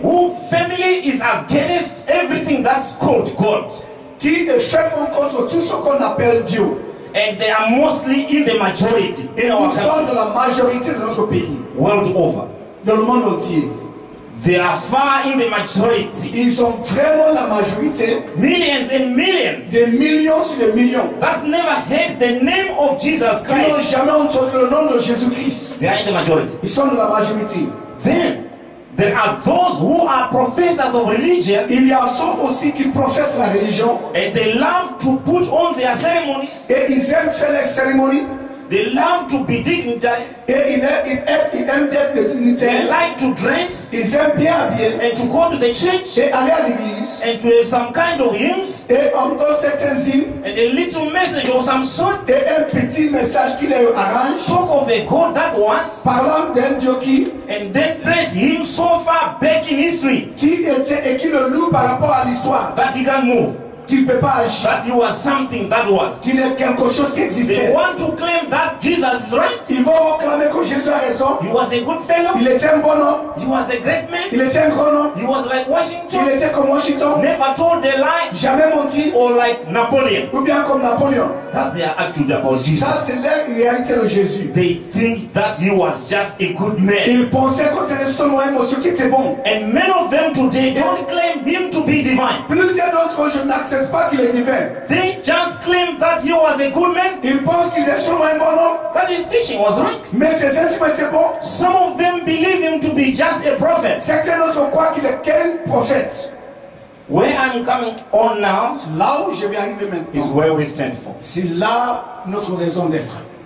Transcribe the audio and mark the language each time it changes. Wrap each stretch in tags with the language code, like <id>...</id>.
<en>who family is against everything that's called God.</en> <fr>Qui est fermement contre tout ce qu'on appelle Dieu.</fr> <en>And they are mostly in the majority.</en> <fr>Et nous sommes dans la majorité de notre pays.</fr> <en>World over.</en> <fr>Dans le monde entier.</fr> <en>They are far in the majority.</en> <fr>Ils sont vraiment la majorité.</fr> <en>Millions and millions.</en> <fr>Des millions sur des millions.</fr> <en>That's never heard the name of Jesus Christ.</en> <fr>Ils n'ont jamais entendu le nom de Jésus Christ.</fr> <en>They are in the majority.</en> <fr>Ils sont dans la majorité.</fr> <en>Then there are those who are professors of religion.</en> <fr>Il y a ceux aussi qui professent la religion.</fr> <en>And they love to put on their ceremonies.</en> <fr>Et ils aiment faire les cérémonies.</fr> <en>They love to be dignitaries.</en> <fr>Et ils aiment d'être dignitaires.</fr> <en>They like to dress.</en> <fr>Ils aiment bien habiller.</fr> <en>And to go to the church.</en> <fr>Et aller à l'église.</fr> <en>And to have some kind of hymns.</en> <fr>Et entendre certains hymnes.</fr> <en>And a little message of some sort.</en> <fr>Et un petit message qui les arrange.</fr> <en>Talk of a God that was.</en> <fr>Parlant d'un Dieu qui.</fr> <en>And then praise him so far back in history.</en> <fr>Qui était et qui le loue par rapport à l'histoire.</fr> <en>That he can move.</en> <fr>Qu'il ne peut pas agir.</fr> <en>That you are something that was.</en> <fr>Qu'il est quelque chose qui existait.</fr> <en>They want to claim that Jesus is right.</en> <fr>Ils vont proclamer que Jésus a raison.</fr> <en>He was a good fellow.</en> <fr>Il était un bon homme.</fr> <en>He was a great man.</en> <fr>Il était un grand homme.</fr> <en>He was like Washington.</en> <fr>Il était comme Washington.</fr> <en>Never told a lie.</en> <fr>Jamais menti.</fr> <en>Or like Napoleon.</en> <fr>Ou bien comme Napoléon.</fr> <en>That they are acting about Jesus.</en> <fr>Ça c'est la réalité de Jésus.</fr> <en>They think that he was just a good man.</en> <fr>Ils pensaient que c'était seulement un monsieur qui était bon.</fr> <en>And many of them today don't claim him to be divine.</en> <fr>Plusieurs d'entre eux n'acceptent.</fr> <en>They just claim that he was a good man.</en> <fr>Ils pensent qu'il est sûrement un bon homme.</fr> <en>That his teaching was right.</en> <fr>Mais ses enseignements étaient bons.</fr> <en>Some of them believe him to be just a prophet.</en> <fr>Certains d'autres croient qu'il est qu'un prophète.</fr> <en>Where I'm coming on now,</en> <fr>là où je vais arriver maintenant,</fr> <en>is where we stand for.</en> <fr>C'est là notre raison d'être.</fr>